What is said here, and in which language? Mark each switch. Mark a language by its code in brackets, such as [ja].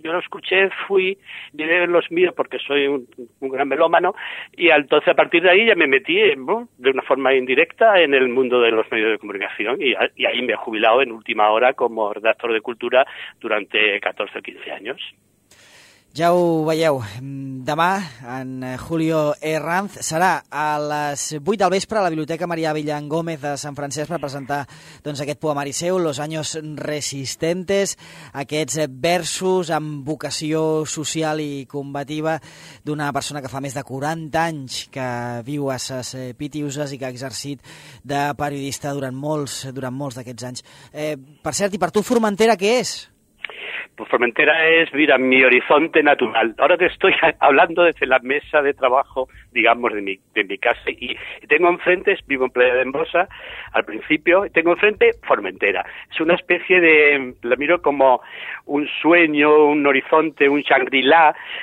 [es] Yo lo escuché, fui, llevé los míos porque soy un gran melómano. Y entonces a partir de ahí ya me metí, ¿no?, de una forma indirecta en el mundo de los medios de comunicación. Y ahí me he jubilado en última hora como redactor de cultura durante 14 o 15 años. [ca] Ja ho veieu, demà en Julio Herranz serà a les 8 del vespre a la Biblioteca Maria Avellán Gómez de Sant Francesc per presentar, doncs, aquest poemari seu, Los Años Resistentes, aquests versos amb vocació social i combativa d'una persona que fa més de 40 anys que viu a Ses Pitiüses i que ha exercit de periodista durant molts d'aquests anys. Per cert, i per tu, Formentera, què és? [es] Pues Formentera es, mira, mi horizonte natural. Ahora te estoy hablando desde la mesa de trabajo, digamos, de mi casa. Y tengo enfrente, vivo en Playa de Embosa, al principio, tengo enfrente Formentera. Es una especie de, la miro como un sueño, un horizonte, un Shangri-La.